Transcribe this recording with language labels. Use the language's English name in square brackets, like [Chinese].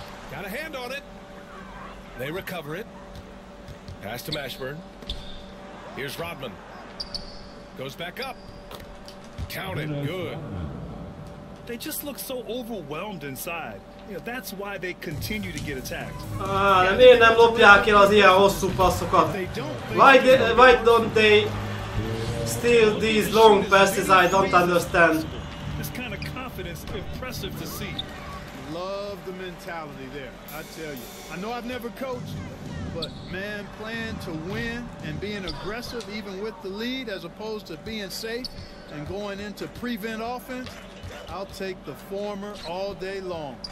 [English] Got a hand on it. They recover it. Pass to Mashburn. Here's Rodman. Goes back up. Counted. Good. They just look so overwhelmed inside. You know, that's why they continue to get attacked. [Hungarian] Miért nem lopják el az ilyen hosszú passzokat? [English] Why don't they steal these long passes? I don't understand. This kind of confidence is impressive to see. Love the mentality there, I tell you. I know I've never coached, but man, playing to win and being aggressive even with the lead as opposed to being safe and going into prevent offense, I'll take the former all day long.